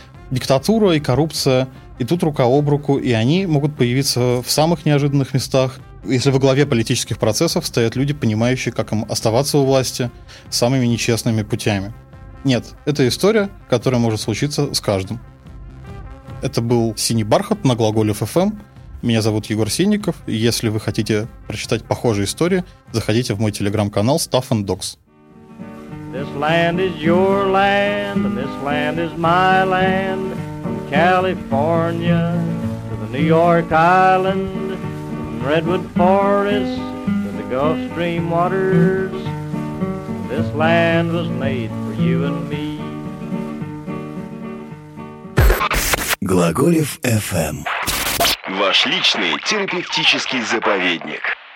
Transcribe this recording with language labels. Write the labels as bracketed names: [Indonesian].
[Russian] Диктатура и коррупция идут рука об руку, и они могут появиться в самых неожиданных местах, если во главе политических процессов стоят люди, понимающие, как им оставаться у власти самыми нечестными путями. Нет, это история, которая может случиться с каждым. Это был «Синий бархат» на глаголе FM. Меня зовут Егор Синников. Если вы хотите прочитать похожие истории, заходите в мой телеграм-канал Stuff and Docs. [English] This land is your land, and this land is my land. From California to the New York Island, from Redwood Forest to the Gulf Stream waters, this land was made for you and me. [Russian] Глаголев FM. Ваш личный терапевтический заповедник.